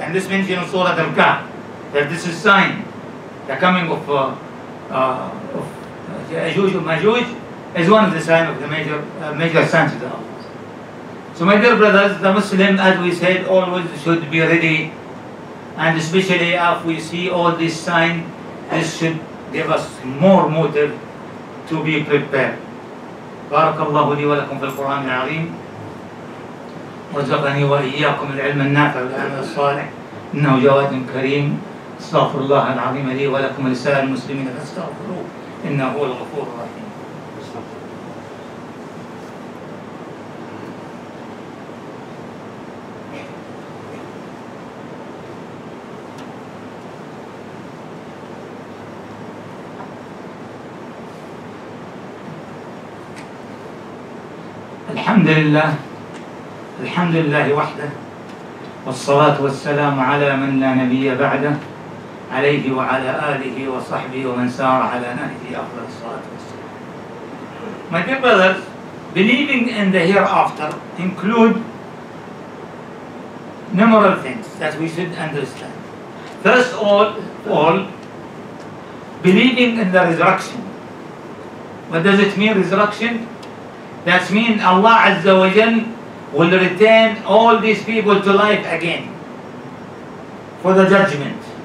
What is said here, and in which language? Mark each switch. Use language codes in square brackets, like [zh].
[en] And this means in Surah Al-Kahf, that this is sign. The coming of Ya'juj wa Ma'juj is one of the signs of the major signs of the hour. So my dear brothers, the Muslim, as we said, always should be ready. And especially if we see all these signs, this should give us more motive to be prepared. [ar] Barakallahu li wa lakum fil Qur'an al-Azim. رزقني وإياكم العلم النافع والعمل الصالح إنه جواد كريم استغفر الله العظيم لي ولكم ولسائر المسلمين فاستغفروه إنه هو الغفور الرحيم. الحمد لله. الحمد لله وحده والصلاة والسلام على من لا نبي بعده عليه وعلى آله وصحبه ومن سار على نهجه أفضل الصلاة والسلام. [en] My dear brothers, believing in the hereafter include numerous things that we should understand. First of all, believing in the resurrection. What does it mean, resurrection? That means Allah عز وجل will return all these people to life again for the judgment.